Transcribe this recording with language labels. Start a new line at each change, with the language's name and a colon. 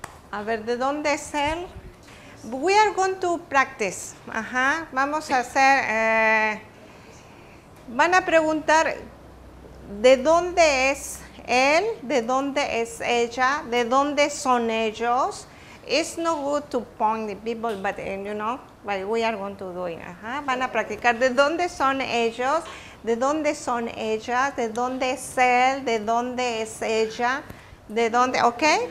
Spanish: a ver, ¿de dónde es el?
English: We are going to practice.
Spanish: Ajá. Vamos a hacer... van a preguntar de dónde es él, de dónde es ella, de dónde son ellos.
English: It's no good to point the people, but you know, but we are going to do it.
Spanish: Ajá. Van a practicar de dónde son ellos, de dónde son ellas, de dónde es él, de dónde es ella, de dónde, ok.